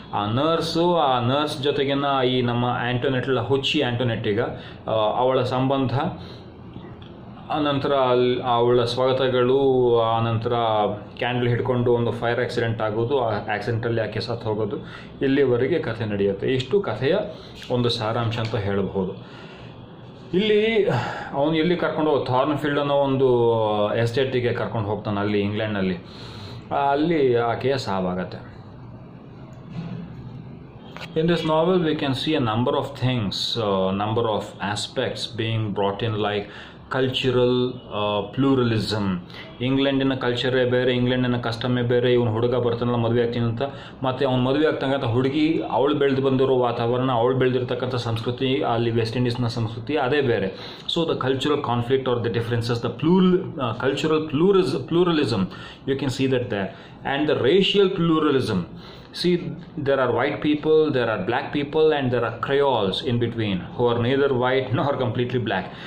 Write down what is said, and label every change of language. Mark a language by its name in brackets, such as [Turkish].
[Kannada] ಆ ನರ್ಸ್ ಜೊತೆಗಿನ ಈ ನಮ್ಮ ಆ್ಯಂಟೋನೆಟ್ಲ ಹುಚ್ಚಿ ಆ್ಯಂಟೋನೆಟ್ಟಿಗ ಅವಳ ಸಂಬಂಧ, ಆನಂತರ ಅಲ್ಲಿ ಅವಳ ಸ್ವಾಗತಗಳು, ಆನಂತರ ಕ್ಯಾಂಡಲ್ ಹಿಡ್ಕೊಂಡು ಒಂದು ಫೈರ್ ಆ್ಯಕ್ಸಿಡೆಂಟ್ ಆಗೋದು, ಆ ಆ್ಯಕ್ಸಿಡೆಂಟಲ್ಲಿ ಆಕೆ ಸತ್ತು ಹೋಗೋದು, ಇಲ್ಲಿವರೆಗೆ ಕಥೆ ನಡೆಯುತ್ತೆ. ಇಷ್ಟು ಕಥೆಯ ಒಂದು ಸಾರಾಂಶ ಅಂತ ಹೇಳಬಹುದು. ಇಲ್ಲಿ ಅವನು ಎಲ್ಲಿ ಕರ್ಕೊಂಡು ಹೋಗಿ, ಥಾರ್ನ್ಫೀಲ್ಡ್ ಅನ್ನೋ ಒಂದು ಎಸ್ಟೇಟಿಗೆ ಕರ್ಕೊಂಡು ಹೋಗ್ತಾನೆ ಅಲ್ಲಿ ಇಂಗ್ಲೆಂಡ್ನಲ್ಲಿ. ಅಲ್ಲಿ ಆಕೆಯ ಸಾವಾಗತ್ತೆ. [English] In this novel, we can see a number of things, number of aspects being brought in, like cultural pluralism. [Kannada] England ಇನ ಕಲ್ಚರೇ ಬೇರೆ, ಇಂಗ್ಲೆಂಡ್ ಇನ ಕಸ್ಟಮೇ ಬೇರೆ. ಇವನು ಹುಡುಗ ಬರ್ತಾನಲ್ಲ ಮದುವೆ ಆಗ್ತೀನಿ ಅಂತ, ಮತ್ತು ಅವ್ನು ಮದುವೆ ಆಗ್ತಂಗಂಥ ಹುಡುಗಿ ಅವಳು ಬೆಳೆದು ಬಂದಿರೋ ವಾತಾವರಣ, ಅವಳು ಬೆಳೆದಿರ್ತಕ್ಕಂಥ ಸಂಸ್ಕೃತಿ, ಅಲ್ಲಿ ವೆಸ್ಟ್ ಇಂಡೀಸ್ನ ಸಂಸ್ಕೃತಿ ಅದೇ ಬೇರೆ. [English] So the cultural conflict are the differences, the plural cultural pluralism you can see that the and the racial pluralism. See, there are white people, there are black people, and there are Creoles in between who are neither white nor completely black.